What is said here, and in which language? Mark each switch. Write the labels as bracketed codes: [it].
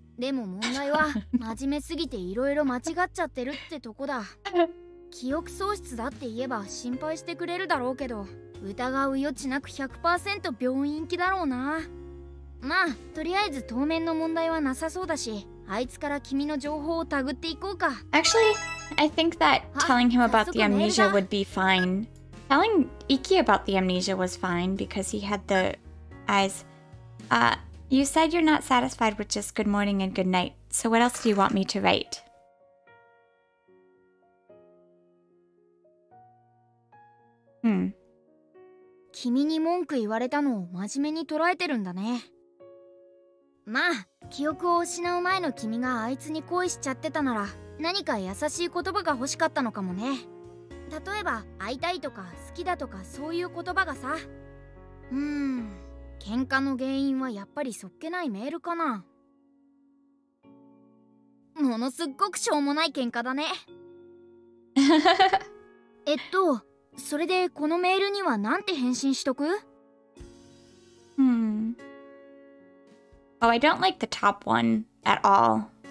[ja] でも問題は、真面目すぎていろいろ間違っちゃってるってとこだ。記憶喪失だって言えば心配してくれるだろうけど、疑う余地なく 100% 病院行きだろうな。まあ、とりあえず当面の問題はなさそうだし、あいつから君の情報をたぐっていこうか。 [en] Actually, I think that telling him about the amnesia would be fine. Telling Iki about the amnesia was fine because he had the eyes. You said you're not satisfied with just good morning and good night. So what else do you want me to write? [ja] 君に文句言われたのを真面目に捉えてるんだね。まあ、記憶を失う前の君があいつに恋しちゃってたなら、何か優しい言葉が欲しかったのかもね。例えば、会いたいとか好きだとか、そういう言葉がさ。喧嘩の原因はやっぱりそっけないメールかな。ものすっごくしょうもない喧嘩だね。それでこのメールにはなんて返信しとく？ [en] Oh, I don't like the top one at all.